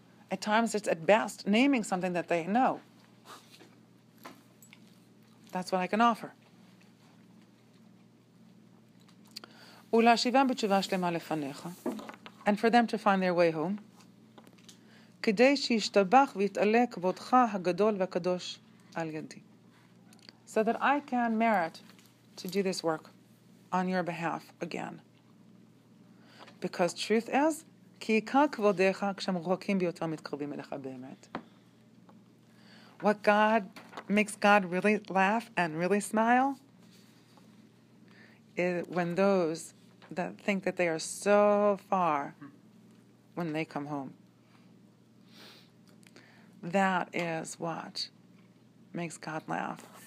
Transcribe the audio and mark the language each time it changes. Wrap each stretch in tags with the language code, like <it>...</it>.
<en>At times it's at best naming something that they know. That's what I can offer. And for them to find their way home,</en> <he>כדי שישתבח ויתעלה כבודך הגדול והקדוש על ידי.</he> <en>So that I can merit to do this work on your behalf again. Because truth is,</en> <he>כי עיקר כבודיך כשמרוחקים ביותר מתקרבים אליך באמת.</he> <en>What God makes God really laugh and really smile is when those that think that they are so far when they come home. That is what makes God laugh.</en>